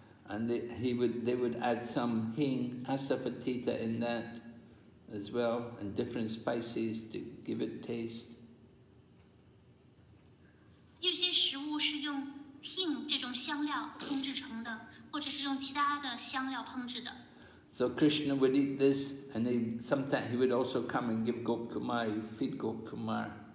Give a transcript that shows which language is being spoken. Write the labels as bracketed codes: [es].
[en] And they would add some hing, asafoetida in that as well, and different spices to give it taste. [zh] 有些食物是用hing这种香料烹制成的，或者是用其他的香料烹制的。 [en] So Krishna would eat this, and he, sometimes he would also come and give Gop Kumar, feed Gop Kumar.